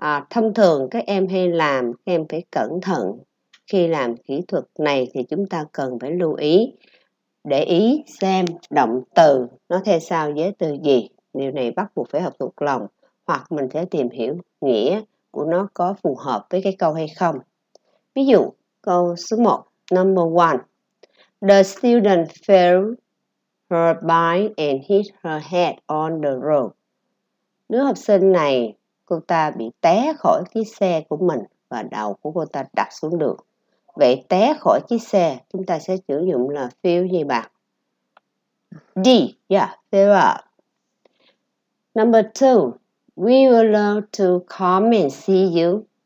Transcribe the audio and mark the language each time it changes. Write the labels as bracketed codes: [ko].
[vi] Thông thường các em hay làm, các em phải cẩn thận. Khi làm kỹ thuật này thì chúng ta cần phải lưu ý, để ý xem động từ nó theo sau giới từ gì. Điều này bắt buộc phải học thuộc lòng, hoặc mình sẽ tìm hiểu nghĩa của nó có phù hợp với cái câu hay không. Ví dụ, câu số 1, [en] number 1. The student fell her bike and hit her head on the road. [vi] Đứa học sinh này, cô ta bị té khỏi chiếc xe của mình và đầu của cô ta đập xuống đường. Vậy té khỏi chiếc xe, chúng ta sẽ sử dụng là feel gì bạn? [en] D, yeah, feel up. Number 2, we will love to come and see you.